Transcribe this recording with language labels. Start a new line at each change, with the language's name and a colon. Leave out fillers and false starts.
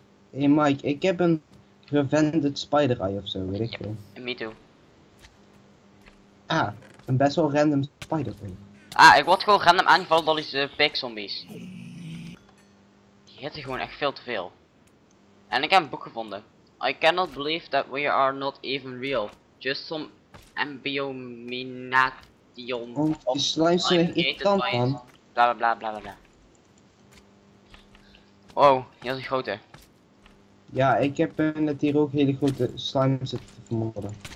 Dutch: Hey Mike, ik heb een revended spider eye ofzo, weet ik veel.
English: Yep. Me too.
Dutch: Ah, een best wel random spider eye. Ah, ik word gewoon random aangevallen door die pig zombies. Die hitten gewoon echt veel te veel. En ik heb een boek gevonden.
English: I cannot believe that we are not even real. Just some ambiominat.
Dutch: Die slimes zijn echt irritant, man. Bla bla bla. Wow, hier is een grote. Ja, ik heb net hier ook hele grote slimes te vermoorden.